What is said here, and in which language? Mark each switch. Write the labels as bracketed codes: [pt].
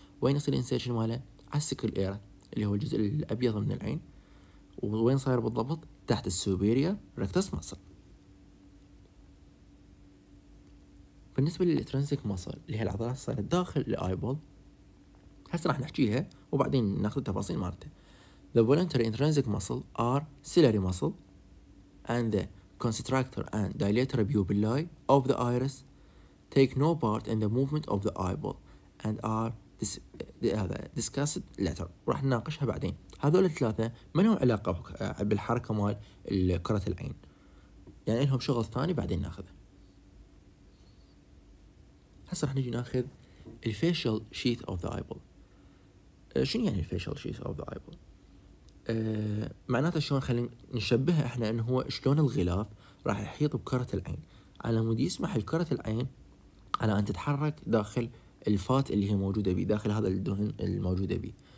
[ar] وين يصير insertion مالها على السكليرة اللي هو الجزء الأبيض من العين. وين صاير بالضبط تحت السوبيريال ركتس مصر. بالنسبة للترانسيك مصر اللي هي العضلات الصغيرة داخل الايبول هسه راح نحكيها وبعدين ناخذ التفاصيل مالته. [en] The voluntary intrinsic muscle are ciliary muscle and the constrictor and dilator pupillae of the iris take no part in the movement of the eyeball and are discussed later. [ar] راح نناقشها بعدين. هذول الثلاثة ما لهم علاقة بالحركة مال كرة العين يعني لهم شغل ثاني بعدين ناخذه. هسه راح نجي ناخذ الفيشل شيت اوف ذا ايبول. شنو يعني الفيشل شيت اوف ذا ايبول؟ معناته شلون خلينا نشبهها احنا انه هو شلون الغلاف راح يحيط بكره العين على مود يسمح لكره العين على ان تتحرك داخل الفات اللي هي موجوده بي داخل هذا الدهن الموجوده بي.